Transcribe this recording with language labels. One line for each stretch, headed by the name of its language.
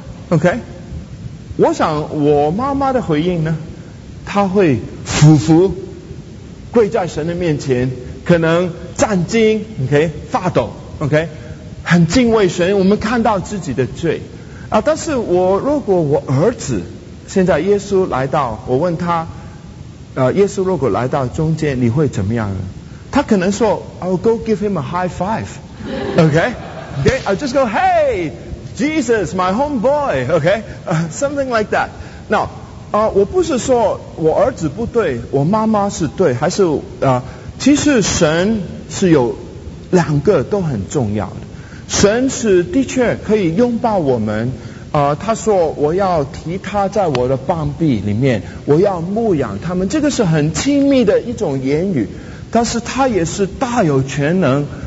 Chinese: OK， 我想我妈妈的回应呢，她会俯伏跪在神的面前，可能战惊， OK， 发抖， OK， 很敬畏神，我们看到自己的罪啊。但是我如果我儿子现在耶稣来到，我问他耶稣如果来到中间你会怎么样呢？他可能说
English: I'll go give him a high five。 Okay, I'll just go, hey, Jesus, my homeboy, okay, something like that.
Chinese: Now, 我不是说我儿子不对，我妈妈是对，还是其实神是有两个都很重要的。神是的确可以拥抱我们，他说我要提他在我的膀臂里面，我要牧养他们，这个是很亲密的一种言语，但是他也是大有全能。